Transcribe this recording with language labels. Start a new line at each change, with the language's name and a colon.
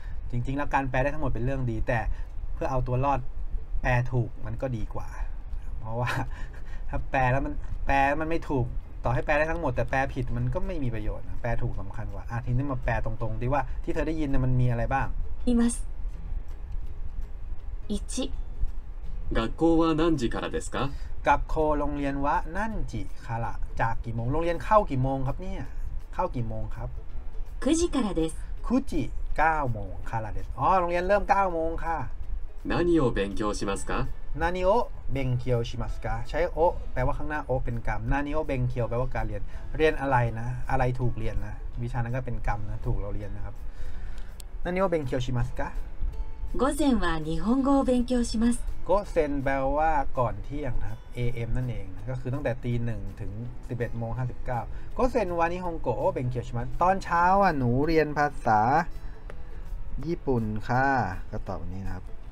Thai: จริงๆแล้วการแปลได้ทั้งหมดเป็นเรื่องดีแต่เพื่อเอาตัวรอดแปลถูกมันก็ดีกว่าเพราะว่าถ้าแปลแล้วมันไม่ถูกต่อให้แปลได้ทั้งหมดแต่แปลผิดมันก็ไม่มีประโยชน์แปลถูกสำคัญกว่าอ่ะทีนี้มาแปลตรงๆดีว่าที่เธอได้ยินมันมีอะไรบ้าง
Japanese: います1 学校は何時からですか
Thai: 学校โรงเรียนวะนั่นจิคาระจากกี่โมงโรงเรียนเข้ากี่โมงครับเนี่ยเข้ากี่โมงครับ
Japanese: 9時からです
Thai: 9時9โมงคาระเดสอ๋อโรงเรียนเริ่ม9โมงค่ะ
Japanese: 何を勉強しますか何を勉強しますか
Thai: ใช้โอแปลว่าข้างหน้าโอเป็นกรรม何を勉強แปลว่าการเรียนเรียนอะไรนะอะไรถูกเรียนนะวิชานั้นก็เป็นกรรมนะถูกเราเรียนนะครับ何を勉強しますか
Japanese: 午前は日本語を勉強します
Thai: ก็เซนแปลว่าก่อนเที่ยงนะ AM นั่นเองก็คือตั้งแต่ตีหนึ่งถึง 11:59 ก็เซนวานิฮงโกโอเบงเกียวชิมัสตอนเช้าอ่ะหนูเรียนภาษาญี่ปุ่นค่ะก็ตอบนี้นะครับ